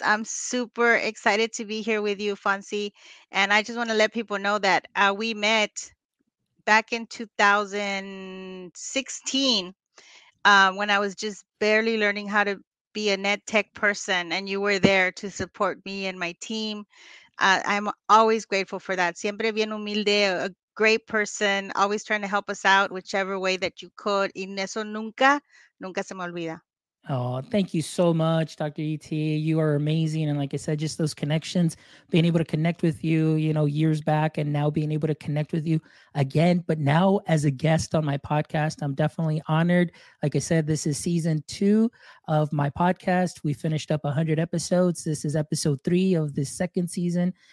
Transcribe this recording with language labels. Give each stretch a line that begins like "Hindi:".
English: I'm super excited to be here with you, Fonsi. And I just want to let people know that we met back in 2016 when I was just barely learning how to be an ed tech person. And you were there to support me and my team. I'm always grateful for that.
Spanish: Siempre bien humilde,
English: a great person, always trying to help us out whichever way that you could.
Spanish: Y eso nunca, nunca se me olvida.
English: Oh, thank you so much, Dr. E.T. You are amazing. And like I said, just those connections, being able to connect with you, you know, years back, and now being able to connect with you again. But now as a guest on my podcast, I'm definitely honored. Like I said, this is season 2 of my podcast. We finished up 100 episodes. This is episode 3 of the second season.